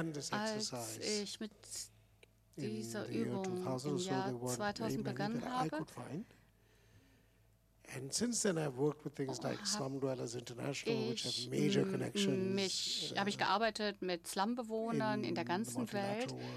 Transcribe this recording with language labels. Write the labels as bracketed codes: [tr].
[de] Als ich mit dieser Übung im Jahr 2000 begonnen habe, [en] and since then I've worked with things like Slum Dwellers International, which have major connections. [de] Habe ich gearbeitet mit Slumbewohnern in der ganzen Welt.